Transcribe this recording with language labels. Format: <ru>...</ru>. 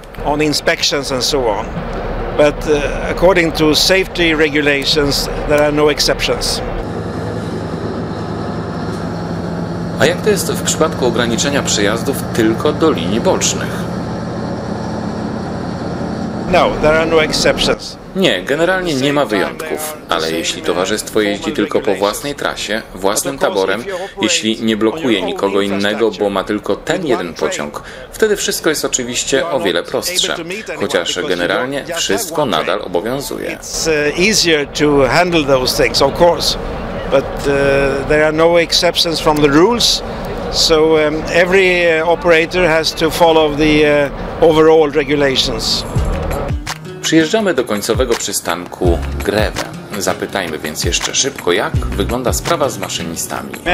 <en>On inspections and so on, but according to safety regulations there are no exceptions.</en> <pl>A jak to jest w przypadku ograniczenia przejazdów tylko do linii bocznych?</pl> <en>No, there are no exceptions.</en> <pl>Nie, generalnie nie ma wyjątków, ale jeśli towarzystwo jeździ tylko po własnej trasie, własnym taborem, jeśli nie blokuje nikogo innego, bo ma tylko ten jeden pociąg, wtedy wszystko jest oczywiście o wiele prostsze, chociaż generalnie wszystko nadal obowiązuje.</pl> <en>It's easier to handle those things, of course, but there are no exceptions from the rules, so every operator has to follow the overall regulations.</en> <pl>Przyjeżdżamy do końcowego przystanku Greve. Zapytajmy więc jeszcze szybko, jak wygląda sprawa z maszynistami.</pl>